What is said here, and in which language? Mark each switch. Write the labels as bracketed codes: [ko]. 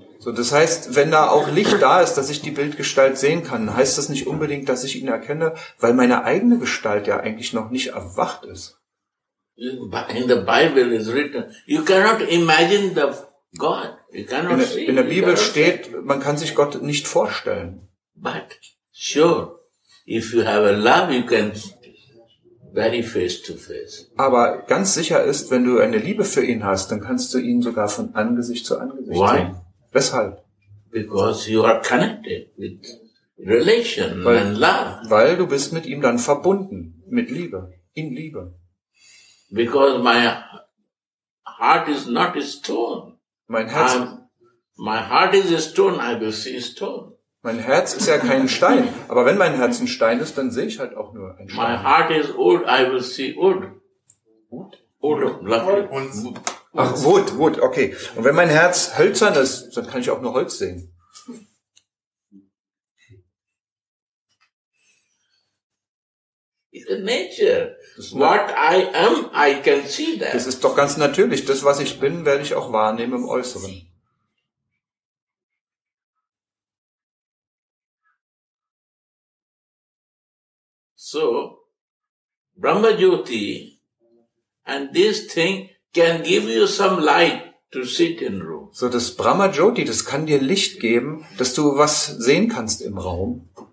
[de] So, das heißt, wenn da auch Licht da ist, dass ich die Bildgestalt sehen kann, heißt das nicht unbedingt, dass ich ihn erkenne, weil meine eigene Gestalt ja eigentlich noch nicht erwacht ist. [en] In the Bible is written, you cannot imagine the God. You cannot see. [de] In der Bibel steht, man kann sich Gott nicht vorstellen. [en] But sure, if you have a love, you can very face to face. [de] Aber ganz sicher ist, wenn du eine Liebe für ihn hast, dann kannst du ihn sogar von Angesicht zu Angesicht sehen. [en] Why? [de] Weshalb? [en] Because you are connected with relation and love. [de] Weil du bist mit ihm dann verbunden, mit Liebe, in Liebe. [en] Because my heart is not a stone. [de] Mein Herz. [en] My heart is a stone, I will see stone. [de] Mein Herz ist ja kein Stein. Aber wenn mein Herz ein Stein ist, dann sehe ich halt auch nur ein Stein. [en] My heart is wood, I will see wood. Wood? Wood. [de] Ach, Wut, okay. Und wenn mein Herz hölzern ist, dann kann ich auch nur Holz sehen. [en] It's a nature. What I am, I can see that. [de] Das ist doch ganz natürlich. Das, was ich bin, werde ich auch wahrnehmen im Äußeren. [en] So, Brahma Jyoti and this thing can give you some light to sit in room. [de] So, das Brahma Jyoti, das kann dir Licht geben, dass du was sehen kannst im Raum.